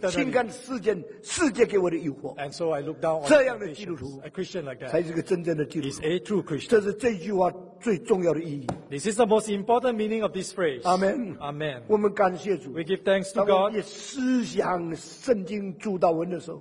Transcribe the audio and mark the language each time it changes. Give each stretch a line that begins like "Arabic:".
Chinese: 我轻看世间世界给我的诱惑
English: and、so、I look down on
Chinese: 这样的基督徒
English: a Christian like that
Chinese: 才是个真正的基督徒
English: is a true Christian.
Chinese: 这是这句话最重要的意义
English: This is the most important meaning of this phrase Amen, Amen.
Chinese: 我们感谢主
English: We give thanks to God
Chinese: 我们思想圣经主导文的时候